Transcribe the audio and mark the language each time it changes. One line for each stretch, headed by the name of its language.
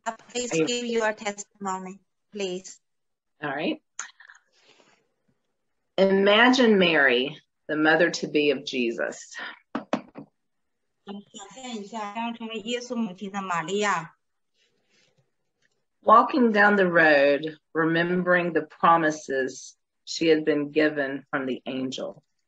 English: Please give your testimony, please. All right. Imagine Mary, the mother to be of Jesus.
Chinese: 想象一下，当成耶稣母亲的玛利亚。
English: Walking down the road, remembering the promises she had been given from the angel.